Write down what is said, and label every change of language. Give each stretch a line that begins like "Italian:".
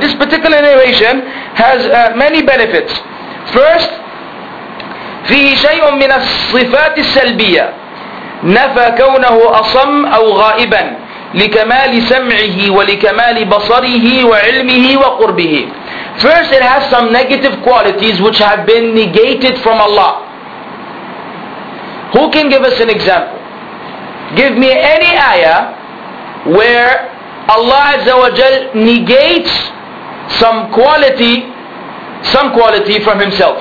English: This particular narration has many benefits.
Arabic: First, فيه شيء من الصفات السلبية نفى كونه أصم أو غائبا لكمال سمعه ولكمال بصره وعلمه وقربه.
English: First, it has some negative qualities which have been negated from Allah. Who can give us an example? give me any ayah where Allah Azza wa Jal negates some quality from Himself.